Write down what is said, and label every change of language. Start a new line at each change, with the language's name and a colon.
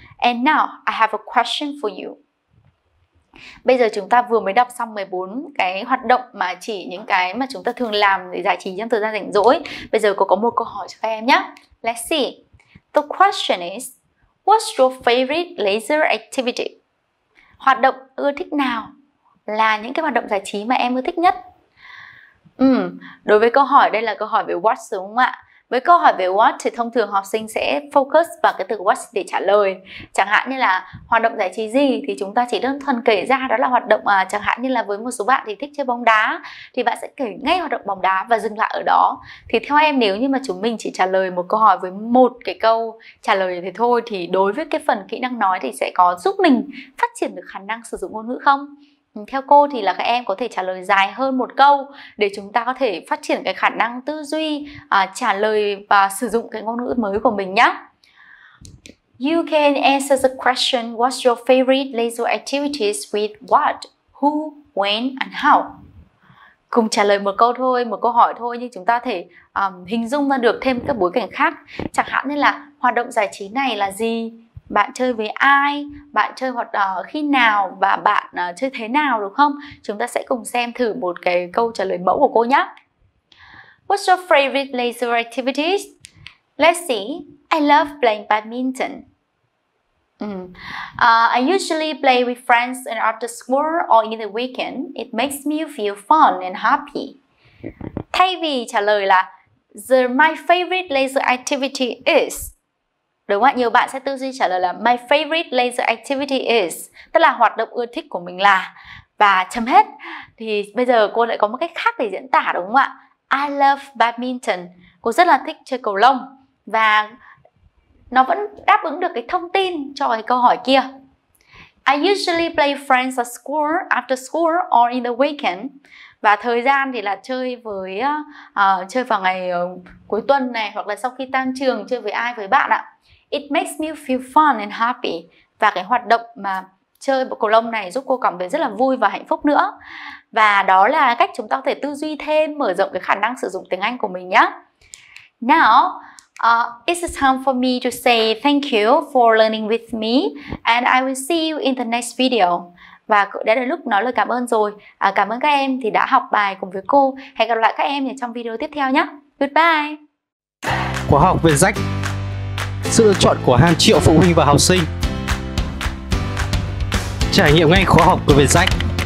English: And now I have a question for you.
Vietnamese: Bây giờ chúng ta vừa mới đọc xong 14 cái hoạt động mà chỉ những cái mà chúng ta thường làm để giải trí trong thời gian rảnh rỗi. Bây giờ cô có một câu hỏi cho các em nhé.
English: Let's see. The question is, what's your favorite leisure activity?
Vietnamese: hoạt động ưa thích nào là những cái hoạt động giải trí mà em ưa thích nhất? Đối với câu hỏi, đây là câu hỏi về what đúng không ạ? Với câu hỏi về what thì thông thường học sinh sẽ focus vào cái từ what để trả lời. Chẳng hạn như là hoạt động giải trí gì thì chúng ta chỉ đơn thuần kể ra đó là hoạt động, chẳng hạn như là với một số bạn thì thích chơi bóng đá thì bạn sẽ kể ngay hoạt động bóng đá và dừng lại ở đó. Thì theo em, nếu như mà chúng mình chỉ trả lời một câu hỏi với một cái câu trả lời thì thôi, thì đối với cái phần kỹ năng nói thì sẽ có giúp mình phát triển được khả năng sử dụng ngôn ngữ không? Theo cô thì là các em có thể trả lời dài hơn một câu để chúng ta có thể phát triển cái khả năng tư duy, trả lời và sử dụng cái ngôn ngữ mới của mình nhé.
English: You can answer the question, what's your favorite leisure activities with what, who, when and how?
Vietnamese: Cùng trả lời một câu thôi, một câu hỏi thôi, nhưng chúng ta thể hình dung ra được thêm các bối cảnh khác. Chẳng hạn như là hoạt động giải trí này là gì? Bạn chơi với ai, bạn chơi hoạt khi nào và bạn chơi thế nào, đúng không? Chúng ta sẽ cùng xem thử một cái câu trả lời mẫu của cô nhé.
English: What's your favorite leisure activities? Let's see, I love playing badminton. I usually play with friends and after school or in the weekend. It makes me feel fun and happy.
Vietnamese: Thay vì trả lời là
English: my favorite leisure activity is,
Vietnamese: đúng không ạ? Nhiều bạn sẽ tư duy trả lời là
English: my favorite leisure activity is,
Vietnamese: tức là hoạt động ưa thích của mình là, và chấm hết. Thì bây giờ cô lại có một cách khác để diễn tả, đúng không ạ?
English: I love badminton.
Vietnamese: Cô rất là thích chơi cầu lông. Và nó vẫn đáp ứng được cái thông tin cho cái câu hỏi kia.
English: I usually play friends at school, after school or in the weekend.
Vietnamese: Và thời gian thì là chơi với chơi vào ngày cuối tuần này, hoặc là sau khi tan trường chơi với ai, với bạn ạ.
English: It makes me feel fun and happy.
Vietnamese: Và cái hoạt động mà chơi bộ cầu lông này giúp cô cảm thấy rất là vui và hạnh phúc nữa. Và đó là cách chúng ta có thể tư duy thêm, mở rộng cái khả năng sử dụng tiếng Anh của mình nhé.
English: Now, it's time for me to say thank you for learning with me and I will see you in the next video.
Vietnamese: Và đã đến lúc nói lời cảm ơn rồi. Cảm ơn các em thì đã học bài cùng với cô. Hẹn gặp lại các em trong video tiếp theo nhé.
English: Goodbye!
Vietnamese: Khóa học Việt Rách, sự lựa chọn của hàng triệu phụ huynh và học sinh. Trải nghiệm ngay khóa học của Vietjet.